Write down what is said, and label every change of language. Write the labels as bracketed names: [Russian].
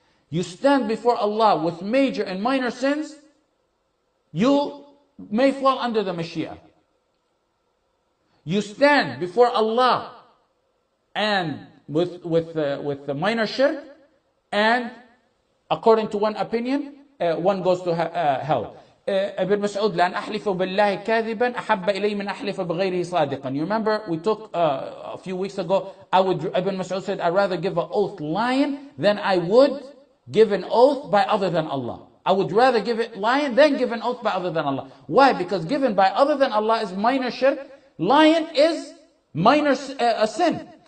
[English] You stand before Allah with major and minor sins, you may fall under the Mashiach. You stand before Allah and with the minor shirk, and according to one opinion, one goes to hell. [Arabic] Ibn Mas'ud, لَأَنْ أَحْلِفُ بِاللَّهِ كَاذِبًا أَحَبَّ إِلَيْهِ مِنْ أَحْلِفَ بِغَيْرِهِ صَادِقًا. [English] You remember, we took a few weeks ago, Ibn Mas'ud said, I'd rather give an oath lying than I would give an oath by other than Allah. I would rather give it lying than give an oath by other than Allah. Why? Because given by other than Allah is minor shirk. Lying is minor a sin.